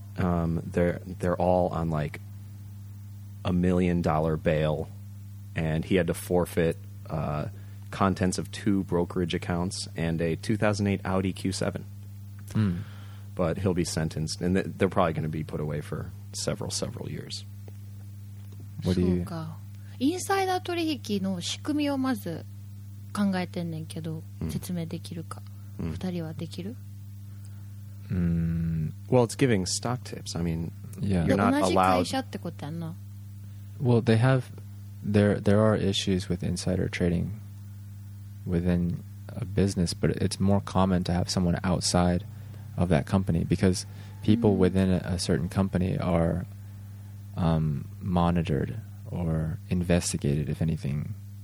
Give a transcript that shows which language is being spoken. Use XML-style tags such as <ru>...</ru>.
<en>They're all on like $1 million bail, and he had to forfeit contents of two brokerage accounts and a 2008 Audi Q7. Mm. But he'll be sentenced, and they're probably going to be put away for several years. What do you?</en> <ja>インサイダー取引の仕組みをまず考えてんねんけど、うん、説明できるか、うん、2人はできる、</ja> <en>Well, it's giving stock tips. I mean, yeah. You're not allowed.</en> <ja>同じ会社ってことやんな。</ja> <en>Well, they have... There are issues with insider trading within a business, but it's more common to have someone outside of that company because people within a certain company are monitored or investigated, if anything.</en>